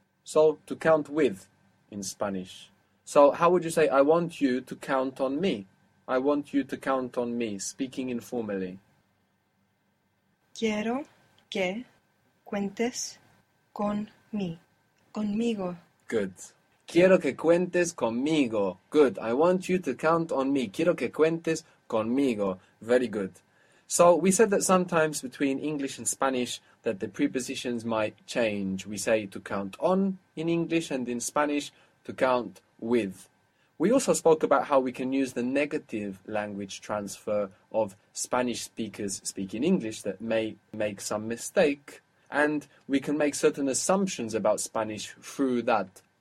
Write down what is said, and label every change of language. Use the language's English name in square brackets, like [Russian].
[English] So, to count with in Spanish. So, how would you say, I want you to count on me? I want you to count on me, speaking informally. [Spanish] Quiero que cuentes con mí, conmigo. [English] Good. [Spanish] Quiero que cuentes conmigo. [English] Good. I want you to count on me. [Spanish] Quiero que cuentes conmigo. [English] Very good. So, we said that sometimes between English and Spanish that the prepositions might change. We say to count on in English and in Spanish to count with. We also spoke about how we can use the negative language transfer of Spanish speakers speaking English that may make some mistake, and we can make certain assumptions about Spanish through that.